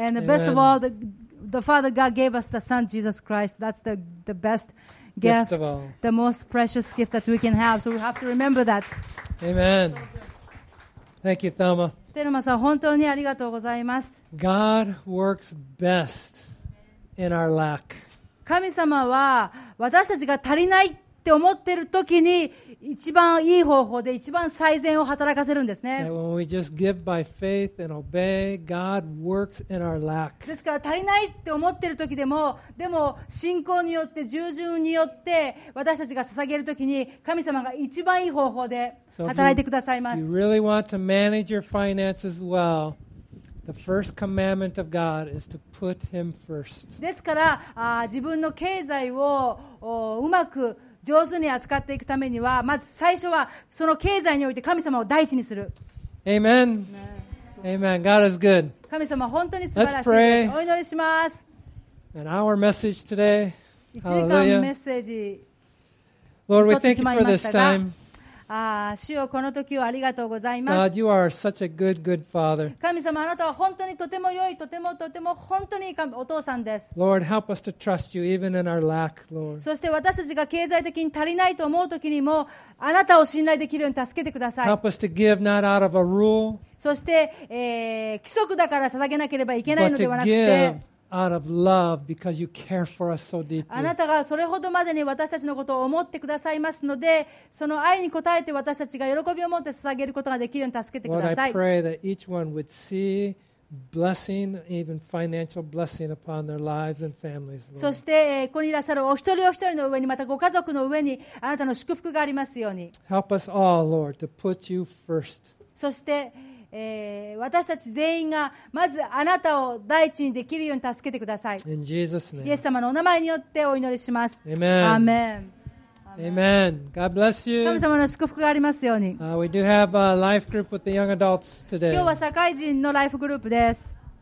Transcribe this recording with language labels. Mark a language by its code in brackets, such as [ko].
[en] And the best of all, the Father God gave us the Son Jesus Christ. That's the best gift, the most precious gift that we can have. So we have to remember that. Amen. Thank you, Thelma. [ja] テルマさん、本当にありがとうございます。 [en] God works best in our lack. [ja] 神様は私たちが足りないって思ってる時に一番いい方法で一番最善を働かせるんですね。 [en] When we just give by faith and obey, God works in our lack. [ja] ですから足りないって思ってる時でも、でも信仰によって従順によって私たちが捧げる時に神様が一番いい方法で働いてくださいます。 [en] So if you really want to manage your finances well,The first commandment of God is to put Him first. [ja] ですから、自分の経済をうまく上手に扱っていくためには、まず最初はその経済において神様を第一にする。 [en] Amen. Amen. God is good. [ja] 神様本当に素晴らしいです。 [en] Let's pray. [ja] お祈りします。 [en] An hour message today. [ja] 1時間メッセージ。 [en] Lord, we thank you for this time. [ja] 主よこの時をありがとうございます。 [en] God, you are such a good, good father. [ja] 神様あなたは本当にとても良いとてもとても本当にお父さんです。 [en] Lord, help us to trust you even in our lack, Lord. [ja] そして私たちが経済的に足りないと思う時にもあなたを信頼できるように助けてください。 [en] Help us to give not out of a rule. [ja] そして、規則だから捧げなければいけないのではなくて。 [en] Out of love, because you care for us so deeply. [ja] あなたがそれほどまでに私たちのことを思ってくださいますので、その愛に応えて私たちが喜びを持って捧げることができるように助けてください。 [en] Lord, I pray that each one would see blessing, even financial blessing, upon their lives and families. [ja] そしてここにいらっしゃるお一人お一人の上にまたご家族の上にあなたの祝福がありますように。 [en] Help us all, Lord, to put you first. [ja] そして私たち全員がまずあなたを第一にできるように助けてください。 [en] In Jesus name. [ja] イエス様のお名前によってお祈りします。 [en] Amen. Amen. Amen. God bless you. [ja] 神様の祝福がありますように。 [en] We do have a life group with the young adults today. [ja] 今日は社会人のライフグループです。